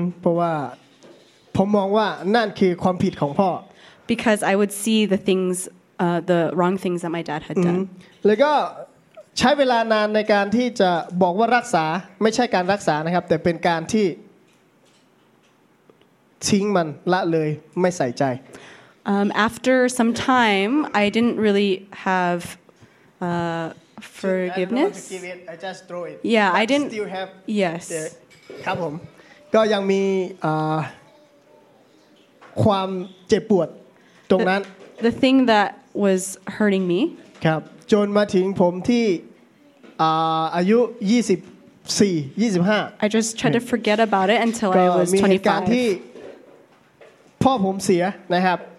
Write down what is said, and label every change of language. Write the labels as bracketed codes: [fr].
[th] เพราะว่าผมมองว่านั่นคือความผิดของพ่อ [en] because I would see the wrong things that my dad had done [th] แล้วก็ใช้เวลานานในการที่จะบอกว่ารักษาไม่ใช่การรักษานะครับแต่เป็นการที่ทิ้งมันละเลยไม่ใส่ใจ [en] After some time I didn't really have forgiveness so I don't want to give it, I just throw it Yeah But I didn't still have Yes [th] ครับผมก็ยังมีความเจ็บปวดตรงนั้น [en] The thing that was hurting me [th] ครับจนมาถึงผมที่อายุ24 25 [en] I just tried to forget about it until I was 25 [th] ก็มีเหตุการณ์ที่พ่อผมเสียนะครับ